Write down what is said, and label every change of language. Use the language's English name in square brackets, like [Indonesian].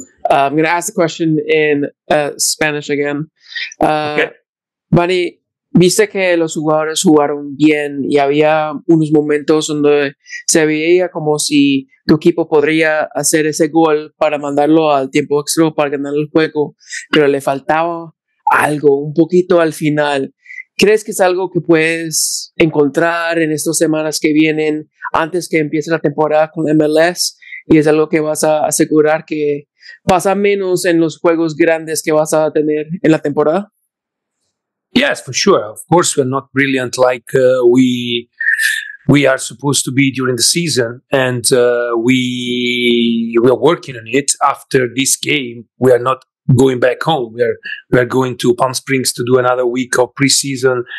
[English] I'm going to ask the question in Spanish again. Okay. [Spanish] Vanny, viste que los jugadores jugaron bien y había unos momentos donde se veía como si tu equipo podría hacer ese gol para mandarlo al tiempo extra para ganar el juego, pero le faltaba algo, un poquito al final. ¿Crees que es algo que puedes encontrar en estas semanas que vienen antes que empiece la temporada con MLS? ¿Y es algo que vas a asegurar que pasa menos en los juegos grandes que vas a tener en la temporada? [English] Yes, for sure. Of course, we're not brilliant like we are supposed to be during the season. And we are working on it. After this game, we are not going back home. We are going to Palm Springs to do another week of preseason.